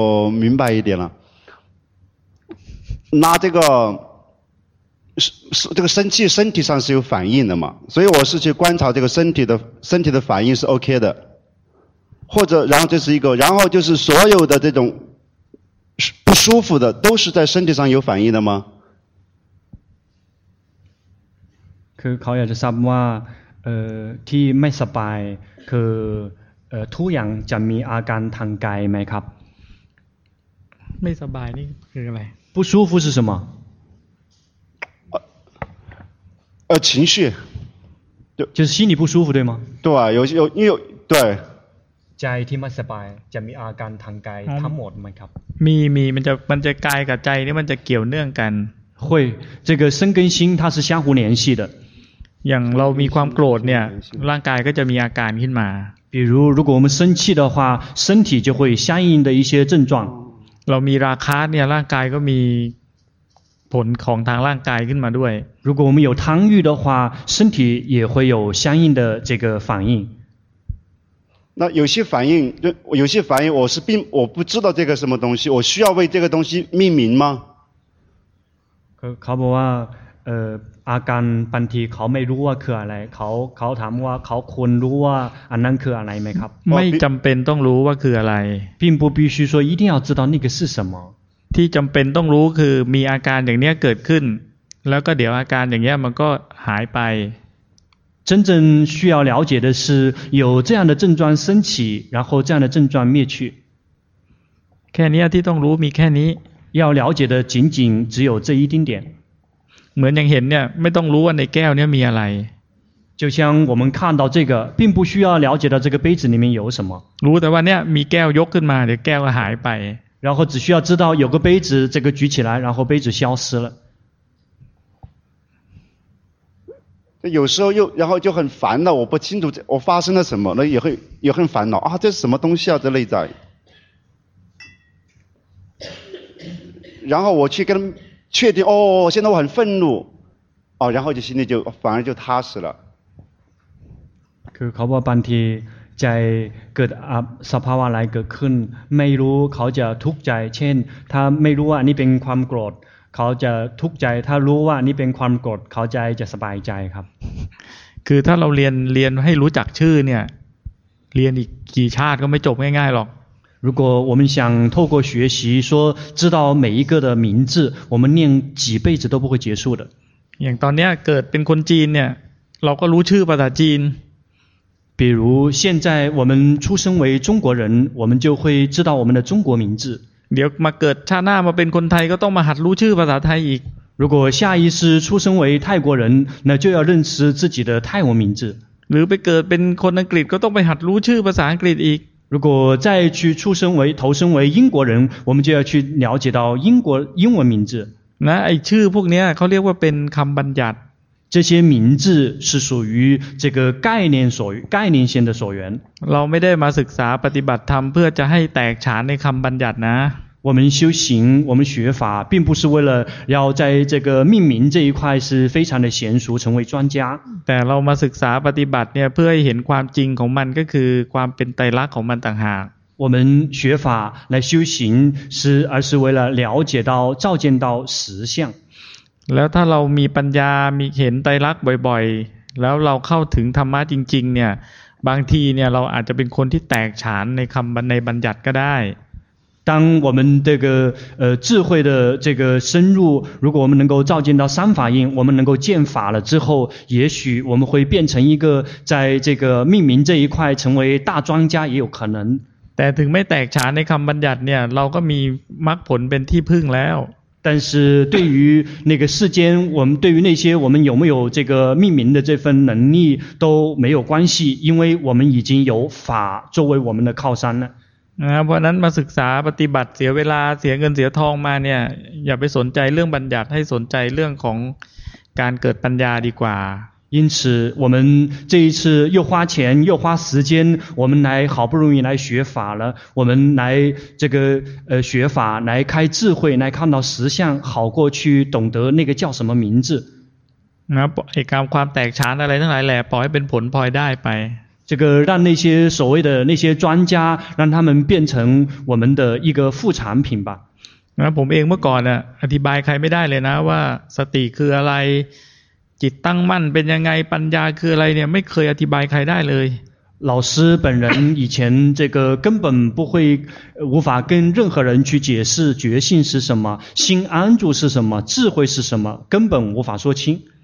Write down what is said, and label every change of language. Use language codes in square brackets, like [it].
[zh] 明白一点了那这个这个生气身体上是有反应的嘛所以我是去观察这个身体的反应是 OK 的或者然后这是一个然后就是所有的这种不舒服的都是在身体上有反应的吗 [th] คือเขาอยากจะทราบว่าที่ไม่สบายคือทุกอย่างจะมีอาการทางกายไหมครับ ไม่สบายนี่คืออะไร [zh] 不舒服是什么情绪就是心里不舒服对吗对啊有对 [th] ใจที่ไม่สบายจะมีอาการทางกายทั้งหมดไหมครับ มีมันจะกายกับใจนี่มันจะเกี่ยวเนื่องกัน [zh] 会这个身跟心它是相互联系的 [th] อย่างเรามีความโกรธเนี่ยร่างกายก็จะมีอาการขึ้นมา [zh] 比如如果我们生气的话身体就会相应的一些症状 [th] เรามีราคะเนี่ยร่างกายก็มีผลของทางร่างกายขึ้นมาด้วย [zh] 如果我们有贪欲的话身体也会有相应的这个反应那有些反应我不知道这个什么东西我需要为这个东西命名吗 [th] เขาบอกว่าอาการบางทีเขาไม่รู้ว่าคืออะไรเขาถามว่าเขาควรรู้ว่าอันนั้นคืออะไรไหมครับ ไม่จำเป็นต้องรู้ว่าคืออะไร [zh] 并不必须说一定要知道那个是什么 [th] ที่จำเป็นต้องรู้คือมีอาการอย่างนี้เกิดขึ้นแล้วก็เดี๋ยวอาการอย่างเงี้ยมันก็หายไป [zh] 真正需要了解的是有这样的症状升起然后这样的症状灭去 [th] แค่นี้ที่ต้องรู้มีแค่นี้ [zh] 要了解的仅仅只有这一丁点 [th] เหมือนอย่างเห็นเนี่ยไม่ต้องรู้ว่าในแก้วเนี่ยมีอะไร [zh] 就像我们看到这个并不需要了解到这个杯子里面有什么 [th] รู้แต่ว่าเนี่ยมีแก้วยกขึ้นมาเดี๋ยวแก้วก็หายไป [zh] 然后只需要知道有个杯子这个举起来然后杯子消失了有时候又然后就很烦恼我不清楚我发生了什么那也会也很烦恼啊这是什么东西啊这内在然后我去跟确定哦现在我很愤怒哦然后就心里就反而就踏实了 [th] คือเขาบอกบางทีใจเกิดสภาวะอะไรเกิดขึ้นไม่รู้เขาจะทุกข์ใจเช่นถ้าไม่รู้ว่าอันนี้เป็นความโกรธเขาจะทุกข์ใจถ้ารู้ว่านี่เป็นความกดเขาใจจะสบายใจครับ คือถ้าเราเรียนให้รู้จักชื่อเนี่ยเรียนอีกกี่ชาติก็ไม่จบง่ายๆหรอก [zh] 如果我们想透过学习说知道每一个的名字我们念几辈子都不会结束的 [th] อย่างตอนนี้เกิดเป็นคนจีนเนี่ยเราก็รู้ชื่อภาษาจีน [zh] 比如现在我们出生为中国人我们就会知道我们的中国名字 [th] เดี๋ยวมาเกิดชาติหน้ามาเป็นคนไทยก็ต้องมาหัดรู้ชื่อภาษาไทยอีก [zh] 如果下一世出生为泰国人那就要认识自己的泰文名字 [th] หรือไปเกิดเป็นคนอังกฤษก็ต้องไปหัดรู้ชื่อภาษาอังกฤษอีก [zh] 如果再去出生为投生为英国人我们就要去了解到英文名字 [th] นะไอ้ชื่อพวกเนี้ยเขาเรียกว่าเป็นคำบัญญัติ [zh] 这些名字是属于这个概念性的所缘 [th] เราไม่ได้มาศึกษาปฏิบัติธรรมเพื่อจะให้แตกฉานในคำบัญญัตินะ [zh] 我们修行我们学法并不是为了要在这个命名这一块是非常的娴熟成为专家 [th] แต่เรามาศึกษาปฏิบัติเนี่ยเพื่อให้เห็นความจริงของมันก็คือความเป็นไตรลักษณ์ของมันต่างหาก [zh] 我们学法来修行是而是为了了解到照见到实相 [th] แล้วถ้าเรามีปัญญามีเห็นไตรลักษณ์บ่อยๆแล้วเราเข้าถึงธรรมะจริงๆเนี่ยบางทีเนี่ยเราอาจจะเป็นคนที่แตกฉานในคำในบัญญัติก็ได้ [zh] 当我们这个智慧的这个深入，如果我们能够照见到三法印，我们能够见法了之后，也许我们会变成一个在这个命名这一块成为大专家也有可能。 [th] แต่ถึงไม่แตกฉานในคำบัญญัติเนี่ยเราก็มีมรรคผลเป็นที่พึ่งแล้ว。 [zh] 但是对于那个世间，我们对于那些我们有没有这个命名的这份能力都没有关系，因为我们已经有法作为我们的靠山了。 [th] เพราะนั้นมาศึกษาปฏิบัติเสียเวลาเสียเงินเสียทองมาเนี่ยอย่าไปสนใจเรื่องบัญญัติให้สนใจเรื่องของการเกิดปัญญาดีกว่า [zh] 因此我们这一次又花钱又花时间我们来好不容易来学法了我们来这个学法来开智慧来看到实相好过去懂得那个叫什么名字 [th] นะไอ้ความแตกฉานอะไรทั้งหลายแหละปล่อยให้เป็นผลพลอยได้ไป [zh] 这个让那些所谓的那些专家让他们变成我们的一个副产品吧 [th] 那ผมเองเมื่อก่อนอ่ะอธิบายใครไม่ได้เลยนะว่าสติคืออะไรจิตตั้งมั่นเป็นยังไงปัญญาคืออะไรเนี่ยไม่เคยอธิบายใครได้เลย [zh] 老师本人以前这个根本不会无法跟任何人去解释觉性是什么心安住是什么智慧是什么根本无法说清